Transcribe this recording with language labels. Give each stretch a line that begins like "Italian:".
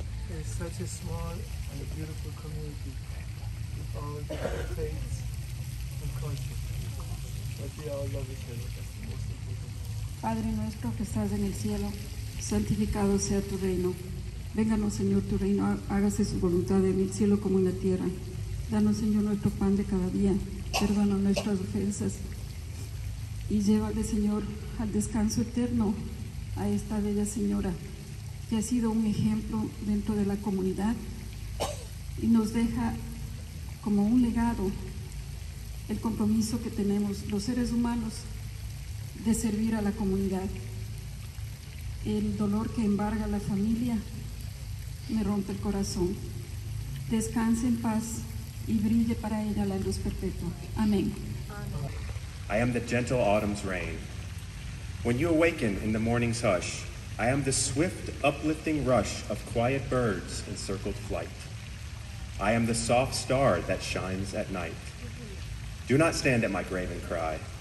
English: It's such a small and a beautiful community with all different faiths and cultures. But we all love each other. That's the most important.
Spanish: Padre nuestro que estás en el cielo, santificado sea tu reino. Vénganos, Señor, tu reino. Hágase su voluntad en el cielo como en la tierra. Danos, Señor, nuestro pan de cada día. Perdona nuestras ofensas. Y llévale, Señor, al descanso eterno a esta bella señora que ha sido un ejemplo dentro de la comunidad y nos deja como un legado el compromiso que tenemos los seres humanos de servir a la comunidad. El dolor que embarga a la familia me rompe el corazón. Descanse en paz y brille para ella la luz perpetua. Amén.
English: I am the gentle autumn's rain. When you awaken in the morning's hush, I am the swift, uplifting rush of quiet birds in circled flight. I am the soft star that shines at night. Do not stand at my grave and cry.